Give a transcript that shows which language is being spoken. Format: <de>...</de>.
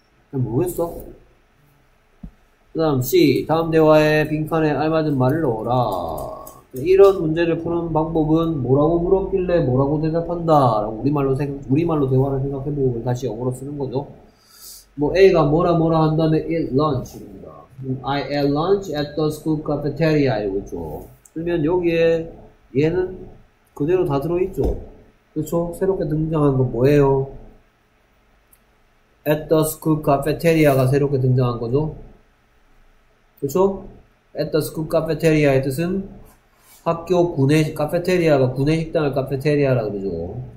<ko>모르겠어. 그다음 C. 다음 대화의 빈칸에 알맞은 말을 넣어라. 이런 문제를 푸는 방법은 뭐라고 물었길래 뭐라고 대답한다라고 우리말로 대화를 생각해보고 다시 영어로 쓰는 거죠. 뭐 A가 뭐라 뭐라 한 다음에 eat lunch입니다.</ko> <en>I ate lunch at the school cafeteria</en> <ko>이거죠. 그러면 여기에 얘는 그대로 다 들어있죠. 그렇죠? 새롭게 등장한 건 뭐예요?</ko> <en>At the school cafeteria</en> <ko>가 새롭게 등장한 거죠. 그렇죠? At the school cafeteria의 뜻은 학교 구내 카페테리아가 구내식당을 카페테리아라 그러죠.</ko>